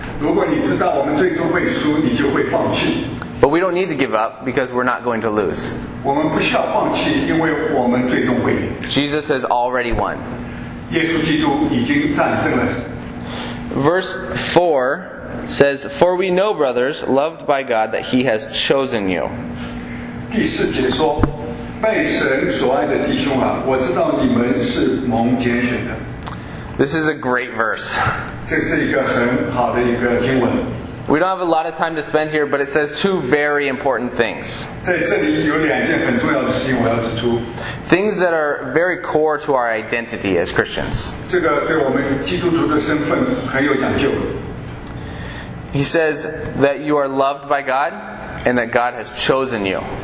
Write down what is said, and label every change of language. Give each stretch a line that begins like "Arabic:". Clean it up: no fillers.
English: But we don't need to give up because we're not going to lose. Jesus has already won. Verse 4 says, For we know, brothers, loved by God, that He has chosen you.
Chinese: 第四节说，被神所爱的弟兄啊，我知道你们是蒙拣选的。
English: This is a great verse.
Chinese: 这是一个很好的一个经文。
English: We don't have a lot of time to spend here, but it says two very important things. Things that are very core to our identity as Christians. He says that you are loved by God and that God has chosen you.